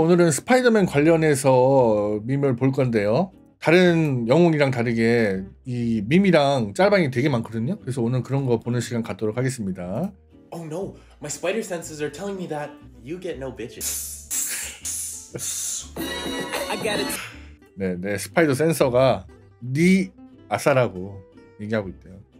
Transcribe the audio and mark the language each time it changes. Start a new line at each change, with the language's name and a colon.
Korean: 오늘은 스파이더맨 관련해서 밈을 볼 건데요. 다른 영웅이랑 다르게 이 밈이랑 짤방이 되게 많거든요. 그래서 오늘 그런 거 보는 시간 갖도록 하겠습니다.
English: Oh no, my spider senses are telling me that you get no bitches. I got it.
Korean: 네, 스파이더 센서가 니 아싸라고 얘기하고 있대요.